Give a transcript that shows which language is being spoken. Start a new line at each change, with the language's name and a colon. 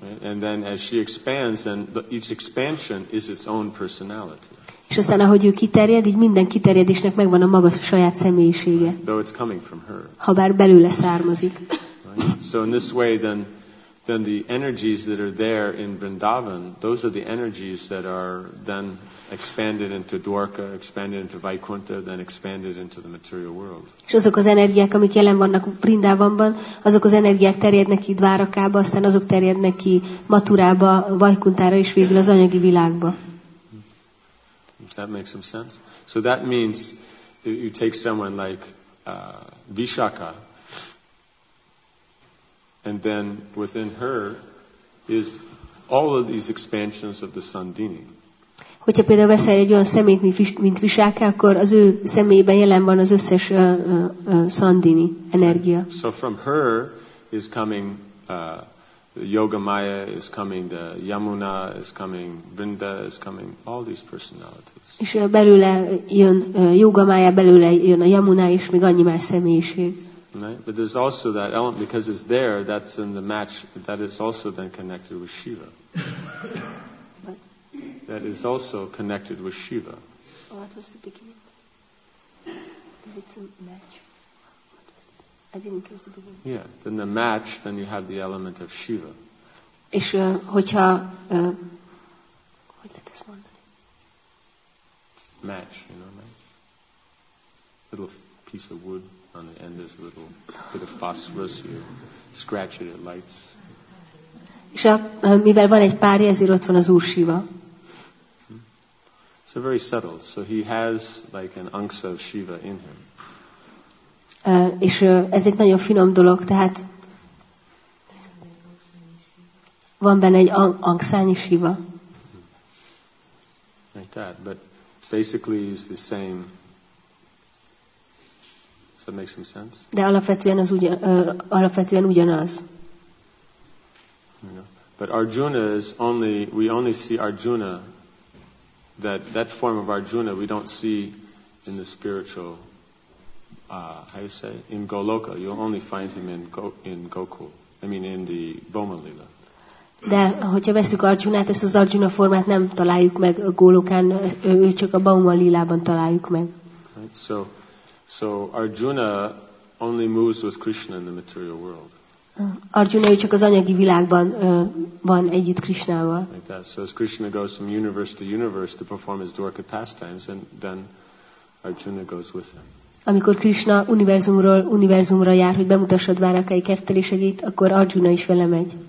English: And then as she expands, and each expansion is its own personality.
Hungarian: És aztán ahogy ő kiterjed, így minden kiterjedésnek megvan a maga saját személyisége.
English: Though it's coming from her.
Hungarian: Habár belőle származik.
English: Right? So in this way then the energies that are there in Vrindavan, those are the energies that are then expanded into Dwarka, expanded into Vaikuntha, then expanded into the material world.
Hungarian: És azok az energiák, amik jelen vannak Vrindavanban, azok az energiák terjednek ki Dvárakába, aztán azok terjednek ki Maturába, Vaikuntára és végül az anyagi világba.
English: Does that make some sense? So that means you take someone like Vishakha, and then within her is all of these expansions of the Sandini.
Hungarian: Hogyha például beszél egy olyan személyt, mint Vishakha, akkor az ő személyében jelen van az összes Sandini energia.
English: So from her is coming the Yogamaya, is coming the Yamuna, is coming Vrinda, is coming all these personalities.
Hungarian: És belőle jön Yogamaya, belőle jön a Yamuna, és még annyi más személyiség.
English: Right? But there's also that element, because it's there, that's in the match, that is also then connected with Shiva. That is also connected with Shiva. What was the beginning? Is it a match? I didn't catch the beginning. Yeah, then the match, then you have the element of Shiva.
Hungarian: És hogyha... Hogy lehet ezt mondani?
English: Match, you know, match? Little piece of wood. On the end there's a little bit of phosphorus, you scratch it, it lights.
Hungarian: És mivel van egy pár, ezért ott van az Úr Shiva.
English: So very subtle. So he has like an unksa of Shiva in him.
Hungarian: És ez egy nagyon finom dolog, tehát van benne egy unksányi Shiva.
English: Like that, but basically it's the same. That makes some sense.
Hungarian: De alapvetően az alapvetően ugyanaz.
English: Yeah. But Arjuna is only, we only see Arjuna, that form of Arjuna we don't see in the spiritual, how you say, in Goloka. You'll only find him in the Bhoma-lila.
Hungarian: De hogyha veszük Arjunát, ezt az Arjuna formát nem találjuk meg Golokán, ő csak a Bhoma-lilában találjuk meg.
English: Right. So Arjuna only moves with Krishna in the material world.
Hungarian: Arjuna csak az anyagi világban van együtt Krishnával.
English: Like that. So as Krishna goes from universe to universe to perform his dwarka pastimes, and then Arjuna goes with him.
Hungarian: Amikor Krishna univerzumról univerzumra jár, hogy bemutassa Dvárakai kertelésegét, akkor Arjuna is vele megy.